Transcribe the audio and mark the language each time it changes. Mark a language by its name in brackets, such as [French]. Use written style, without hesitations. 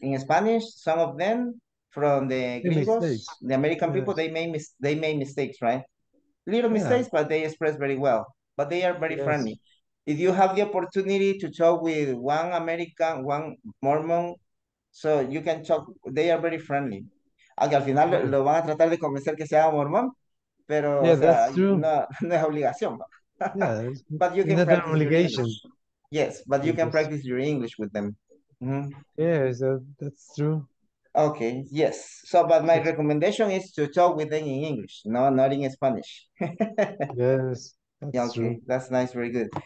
[English] In Spanish, some of them from the gringos, the American people, yes. they made mistakes, right? Little mistakes, yeah. But they express very well. But they are very friendly. If you have the opportunity to talk with one American, one Mormon, so you can talk, they are very friendly. [Spanish] Aunque al final lo van a tratar de convencer que sea Mormon, pero no es obligación. [English] But you can practice obligation. Yes, but you can practice your English with them. Yes, that's true. Okay, yes. So, but my recommendation is to talk with them in English, not in Spanish. Yes. That's okay, that's nice, very good.